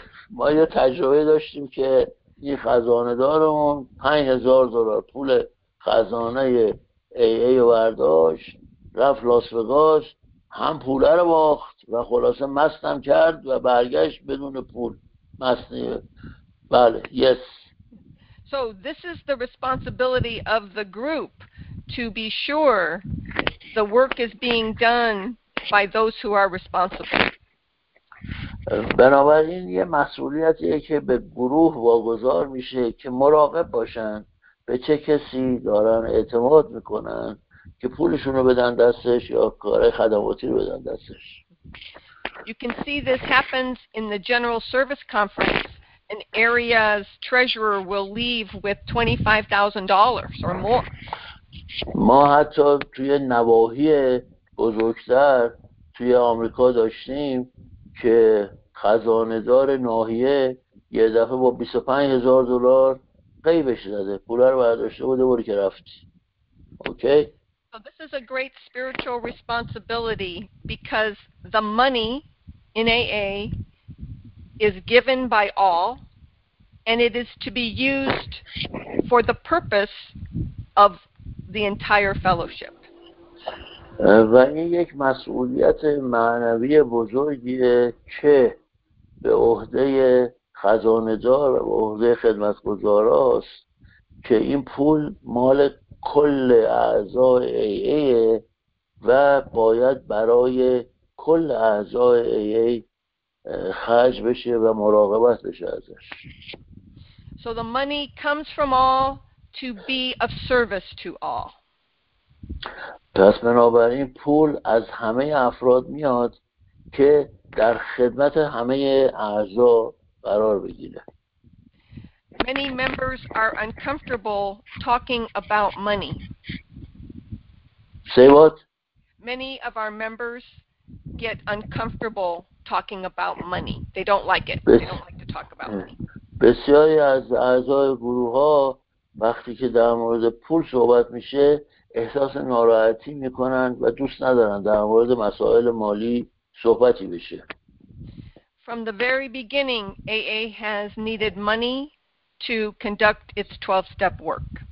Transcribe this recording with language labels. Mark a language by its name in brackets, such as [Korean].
[Persian] ما یه تجربه داشتیم که یه خزانه‌دارمون $5,000 پول خزانه AA برداشت، رفت لاس وگاس، هم پول رو باخت و خلاصه مستم کرد و برگشت بدون پول. مستی. بله. Yes. [English] So this is the responsibility of the group to be sure the work is being done by those who are responsible. [Persian] بنابراین یه مسئولیتیه که به گروه واگذار میشه که مراقب باشن به چه کسی دارن اعتماد میکنن که پولشون رو بدن دستش یا کار خدماتی رو بدن دستش. [English] You can see this happens in the general service conference. An area's treasurer will leave with $25,000 or more. [Persian] ما حتی توی نواحی بزرگتر توی آمریکا داشتیم که خزانه‌دار ناحیه یه دفعه با $25,000 غیبش زده، پول رو برداشته بوده بوری که رفتی. اوکی؟ [English] So this is a great spiritual responsibility because the money in AA is given by all and it is to be used for the purpose of the entire fellowship. [Persian] و این یک مسئولیت معنوی بزرگیه که به عهده خزانه‌دار و به عهده خدمتگزاراست که این پول مال کل اعضای AA و باید برای کل اعضای AA خرج بشه و مراقبت بشه ازش. [English] So the money comes from all to be of service to all. [Persian] پس بنابراین پول از همه افراد میاد که در خدمت همه اعضا قرار بگیره. [English] Many members are uncomfortable talking about money. Say what? Many of our members get uncomfortable talking about money. They don't like it. They don't like to talk about money. [Persian] بسیاری از اعضای گروه ها وقتی که در مورد پول صحبت میشه احساس ناراحتی میکنن و دوست ندارن در مورد مسائل مالی صحبتی بشه. [English] From the very beginning, AA has needed money to conduct its 12-step work.